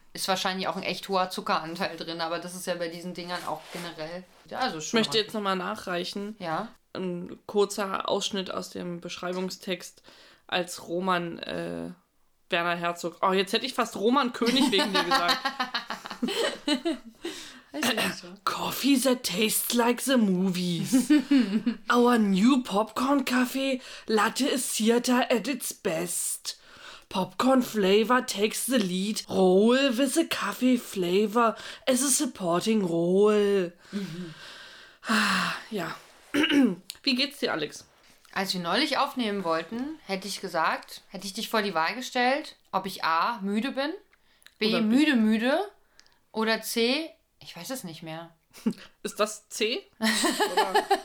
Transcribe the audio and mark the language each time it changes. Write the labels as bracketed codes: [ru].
[de] Ist wahrscheinlich auch ein echt hoher Zuckeranteil drin, aber das ist ja bei diesen Dingern auch generell. Ja, also ich möchte jetzt nochmal nachreichen. Ja. Ein kurzer Ausschnitt aus dem Beschreibungstext, als Roman Werner Herzog. Oh, jetzt hätte ich fast Roman König wegen dir gesagt. [en] Coffee that tastes like the movies. Our new popcorn cafe latte is theater at its best. Popcorn flavor takes the lead role with the coffee flavor as a supporting role. [de] Ja. Wie geht's dir, Alex? Als wir neulich aufnehmen wollten, hätte ich dich vor die Wahl gestellt, ob ich A, müde bin, B, müde, oder C, ich weiß es nicht mehr. Ist das C? Oder?